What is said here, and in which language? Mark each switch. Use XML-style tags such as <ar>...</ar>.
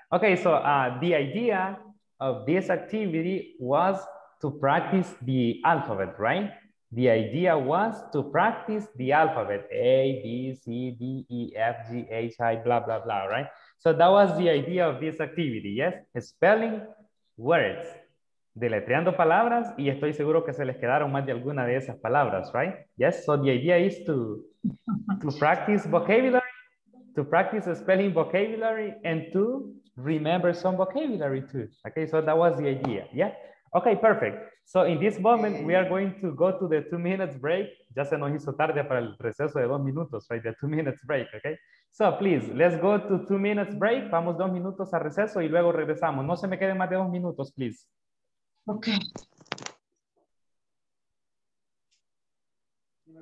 <en>Okay, so the idea of this activity was to practice the alphabet, right? The idea was to practice the alphabet. A, B, C, D, E, F, G, H, I, blah, blah, blah, right? So that was the idea of this activity, yes? Spelling words.</en> <es>Deletreando palabras, y estoy seguro que se les quedaron más de alguna de esas palabras, right?</es> <en>Yes, so the idea is to practice vocabulary, to practice spelling vocabulary, and to remember some vocabulary too. Okay, so that was the idea, yeah? Okay, perfect. So in this moment, we are going to go to the 2 minutes break.</en> <es>Ya se nos hizo tarde para el receso de 2 minutos, right?</es> <en>The 2 minutes break,</en> <es>okay?</es> <en>So please, let's go to 2 minutes break.</en> <es>Vamos 2 minutos a receso y luego regresamos. No se me queden más de 2 minutos, please.</es> <en>Okay.</en>